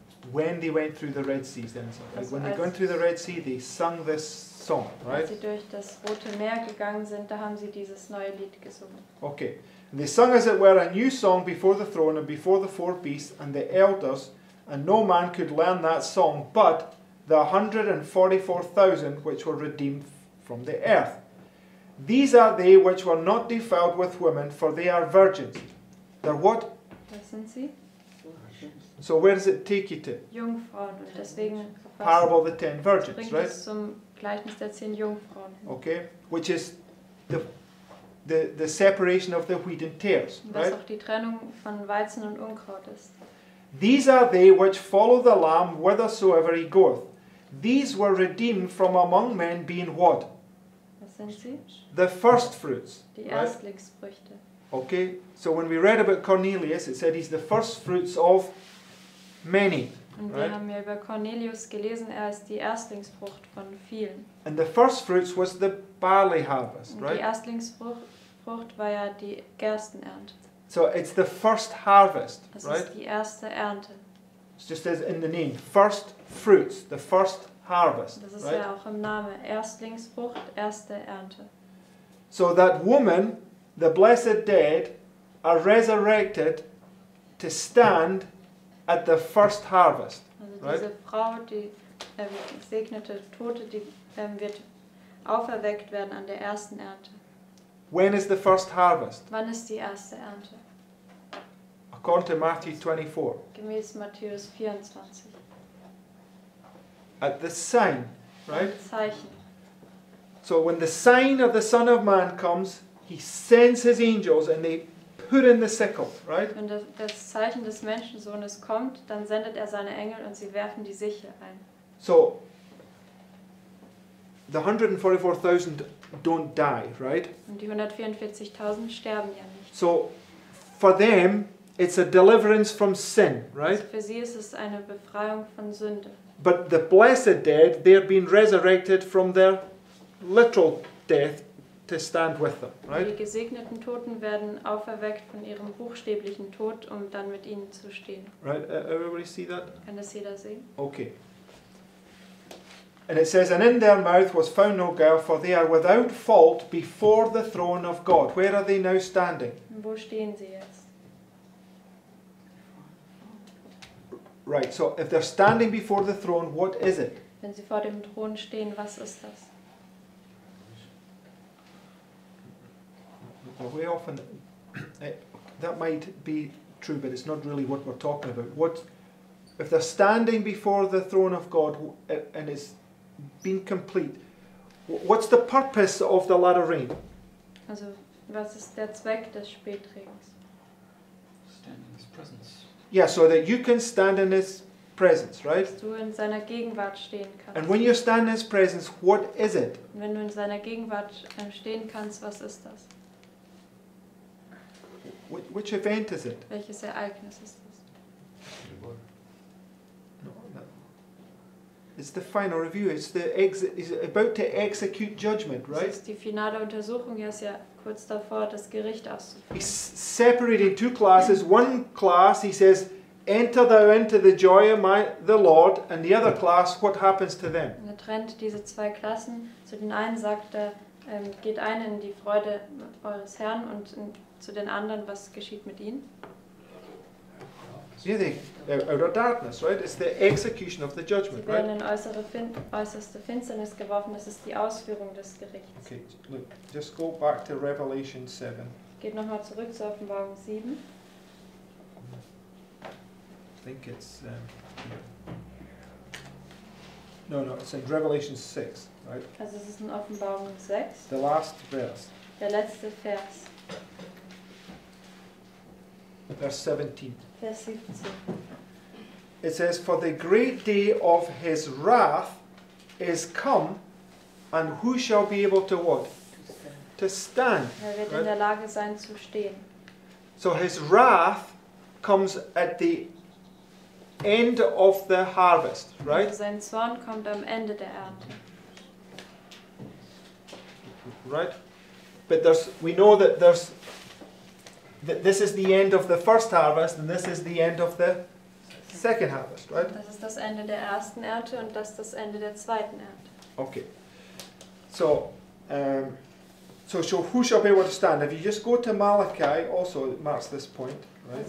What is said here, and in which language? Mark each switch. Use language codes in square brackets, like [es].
[en] When they went through the Red Sea, then. So. Like when they went through the Red Sea, they sung this song, right? [de] Als sie durch das Rote Meer gegangen sind, da haben sie dieses neue Lied gesungen. [en] Okay. And they sung, as it were, a new song before the throne and before the four beasts and the elders, and no man could learn that song but the 144,000 which were redeemed from the earth. These are they which were not defiled with women, for they are virgins. They're what? Listen, see? So where does it take you to? [de] Jungfrauen. Deswegen [en] Parable of the Ten Virgins, [de] bringt [en] right? [de] Zum Gleichnis der zehn Jungfrauen. [en] Okay, which is the separation of the wheat and tares, [de] was [en] right? [de] Auch die Trennung von Weizen und Unkraut ist. [en] These are they which follow the Lamb whithersoever he goeth. These were redeemed from among men, being what? [de] Was sind sie? [en] The first fruits. [de] Die Erstlingsfrüchte. [en] Right? Okay, so when we read about Cornelius, it said he's the first fruits of many. [de] Und wir haben ja über Cornelius gelesen, er ist die Erstlingsfrucht von vielen. [en] And the first fruits was the barley harvest, right? [de] Die Erstlingsfrucht war ja die Gerstenernte. [en] So it's the first harvest, right? [de] Das ist die erste Ernte. [en] It's just as in the name, first fruits, the first harvest. [de] Das ist ja auch im Namen, Erstlingsfrucht, erste Ernte. [en] So that woman, the blessed dead, are resurrected to stand at the first harvest. [de] Also diese [en] right? [de] Frau, die gesegnete Tote, die wird auferweckt werden an der ersten Ernte. [en] When is the first harvest? [de] Wann ist die erste Ernte? [en] According to Matthew 24. [de] Gemäß Matthäus 24. [en] At the sign, right? [de] Zeichen. [en] So when the sign of the Son of Man comes, he sends his angels and they put in the sickle, right? [de] Wenn das Zeichen des Menschensohnes kommt, dann sendet er seine Engel und sie werfen die Sichel ein. [en] So, the 144,000 don't die, right? [de] Und die 144,000 sterben ja nicht. [en] So, for them, it's a deliverance from sin, right? [de] Also für sie ist es eine Befreiung von Sünde. [en] But the blessed dead, they're being resurrected from their literal death to stand with them, right? [de] Die gesegneten Toten werden auferweckt von ihrem buchstäblichen Tod, um dann mit ihnen zu stehen. [en] Right, everybody see that? [de] Kann das jeder sehen? [en] Okay. And it says, and in their mouth was found no guile, for they are without fault before the throne of God. Where are they now standing? [de] Wo stehen sie jetzt? [en] Right, so if they're standing before the throne, what is it? [de] Wenn sie vor dem Thron stehen, was ist das? [en] Way often, that might be true, but it's not really what we're talking about. What if they're standing before the throne of God and it's been complete? What's the purpose of the latter rain? [de] Also, was ist der Zweck des Spätregens? [en] Stand in his presence. Yeah, so that you can stand in his presence, right? [de] Dass du in seiner Gegenwart stehen kannst. [en] And when you stand in his presence, what is it? [de] Wenn du in seiner Gegenwart stehen kannst, was ist das? [en] Which event is it? [de] Welches Ereignis ist es? [en] It's the final review. It's the is about to execute judgment, right? [de] Es ist die finale Untersuchung. Er ist ja kurz davor, das Gericht auszuführen. [en] He's separating two classes. One class, he says, enter thou into the joy of my the Lord. And the other class, what happens to them? [de] Er trennt diese zwei Klassen. Zu den einen sagt er, geht ein in die Freude eures Herrn und in zu den anderen, was geschieht mit ihnen? [en] Yeah, the outer darkness, right? It's the execution of the judgment, right? [de] Sie werden in äußerste Finsternis geworfen. Das ist die Ausführung des Gerichts. [en] Okay, look, just go back to Revelation 7. [de] Geht nochmal zurück zu Offenbarung 7. [en] I think it's it's in Revelation 6, right? [de] Also es ist in Offenbarung 6. [en] The last verse. [de] Der letzte Vers. [en] Verse 17. [de] Vers 17. [en] It says, for the great day of his wrath is come, and who shall be able to what? To stand. [de] Er wird [en] right? [de] In der Lage sein zu stehen. [en] So his wrath comes at the end of the harvest, right? [de] Also sein Zorn kommt am Ende der Ernte. [en] Right? But there's, we know that there's this is the end of the first harvest and this is the end of the second harvest, right? [de] Das ist das Ende der ersten Ernte und das ist das Ende der zweiten Ernte. [en] Okay. So, so who shall be able to stand? If you just go to Malachi, also it marks this point, right?